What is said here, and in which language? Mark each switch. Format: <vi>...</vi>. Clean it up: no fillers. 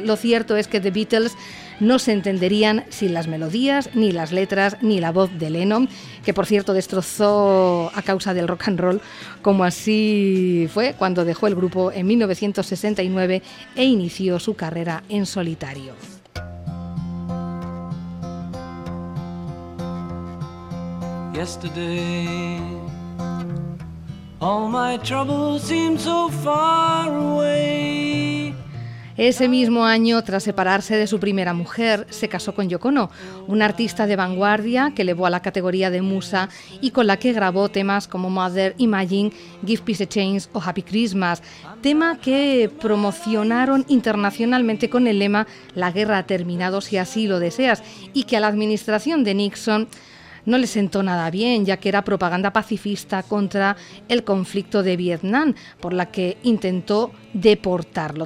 <es>Lo cierto es que The Beatles no se entenderían sin las melodías, ni las letras, ni la voz de Lennon, que por cierto destrozó a causa del rock and roll, como así fue cuando dejó el grupo en 1969 e inició su carrera en solitario.</es> <en>Yesterday, all my troubles seemed so far away.</en> <es>Ese mismo año, tras separarse de su primera mujer, se casó con Yoko Ono, una artista de vanguardia que elevó a la categoría de musa y con la que grabó temas como Mother, Imagine, Give Peace a Chance o Happy Christmas, tema que promocionaron internacionalmente con el lema La guerra ha terminado si así lo deseas y que a la administración de Nixon no le sentó nada bien, ya que era propaganda pacifista contra el conflicto de Vietnam, por la que intentó deportarlo.</es>